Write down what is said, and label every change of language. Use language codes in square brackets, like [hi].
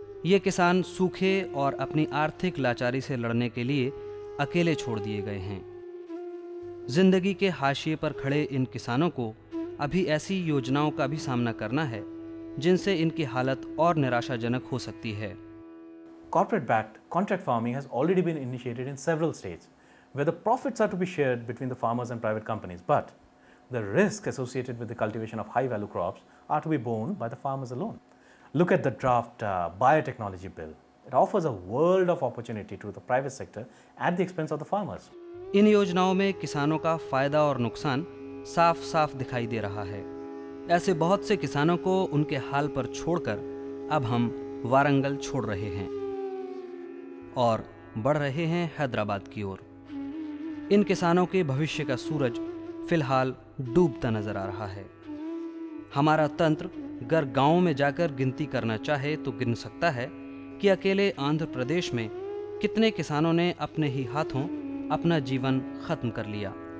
[hi] ये किसान सूखे और अपनी आर्थिक लाचारी से लड़ने के लिए अकेले छोड़ दिए गए हैं। जिंदगी के हाशिए पर खड़े इन किसानों को अभी ऐसी योजनाओं का भी सामना करना है जिनसे इनकी हालत और निराशाजनक हो सकती है। [en] Corporate backed contract farming has already been initiated in several states where the profits are to be shared between the farmers and private companies, but the risk associated with the cultivation of high value crops are to be borne by the farmers alone. Look at the draft biotechnology bill. It offers a world of opportunity to the private sector at the expense of the farmers. [hi] In yojanaon mein kisanon ka fayda aur nuksan saaf saaf dikhai de raha hai. Aise bahut se kisanon ko unke haal par chhodkar ab hum Warangal chhod rahe hain और बढ़ रहे हैं हैदराबाद की ओर। इन किसानों के भविष्य का सूरज फिलहाल डूबता नजर आ रहा है। हमारा तंत्र अगर गाँव में जाकर गिनती करना चाहे तो गिन सकता है कि अकेले आंध्र प्रदेश में कितने किसानों ने अपने ही हाथों अपना जीवन खत्म कर लिया।